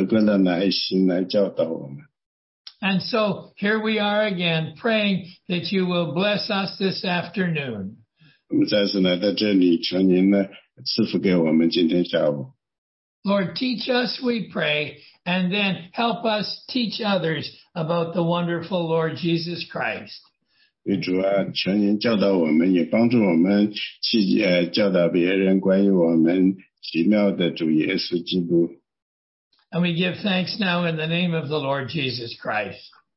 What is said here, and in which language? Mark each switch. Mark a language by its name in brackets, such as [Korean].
[Chinese] 因为主啊,我们要向你向上感恩,您的足够的耐心来教导我们。 [English] And so here we are again, praying that you will bless us this afternoon. [Chinese] 我们再次来到这里,求您呢,赐福给我们今天下午。 [English] Lord, teach us, we pray, and then help us teach others about the wonderful Lord Jesus Christ. [Chinese] 主啊,求您教导我们,也帮助我们去教导别人关于我们奇妙的主耶稣基督。 [English] And we give thanks now in the name of the Lord Jesus Christ.